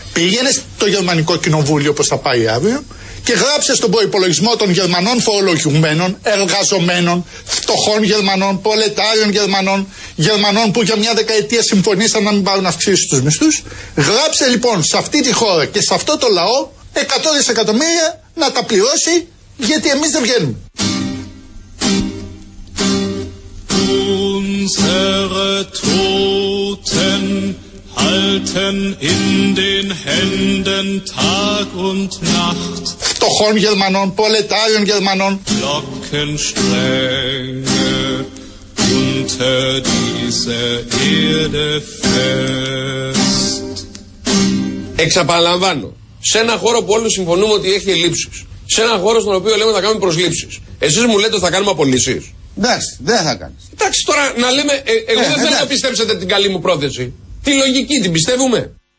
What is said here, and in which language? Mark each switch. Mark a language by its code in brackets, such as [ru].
[el] Πήγαινε στο γερμανικό κοινοβούλιο, όπως θα πάει αύριο, και γράψε στον προϋπολογισμό των γερμανών φορολογουμένων, εργαζομένων, φτωχών γερμανών, προλετάριων γερμανών, γερμανών που για μια δεκαετία συμφωνήσαν να μην πάρουν αυξήσεις στους μισθούς. Γράψε λοιπόν σε αυτή τη χώρα και σε αυτό το λαό 100 δισεκατομμύρια να τα πληρώσει, γιατί εμείς δεν βγαίνουμε. [de] Unsere Toten halten in den Händen Tag und Nacht. [el] Φτωχών Γερμανών, προλετάριων Γερμανών. [de] Glockenstränge unter diese Erde fest. [el] Εξαπαλαμβάνω, σε ένα χώρο που όλοι συμφωνούμε ότι έχει ελλείψεις, σε ένα χώρο στον οποίο λέμε θα κάνουμε προσλήψεις, εσείς μου λέτε ότι θα κάνουμε απολύσεις. Εντάξει, δεν θα κάνεις. Εντάξει, τώρα να λέμε, εγώ δεν θέλω να πιστέψετε την καλή μου πρόθεση. Τη λογική, την πιστεύουμε.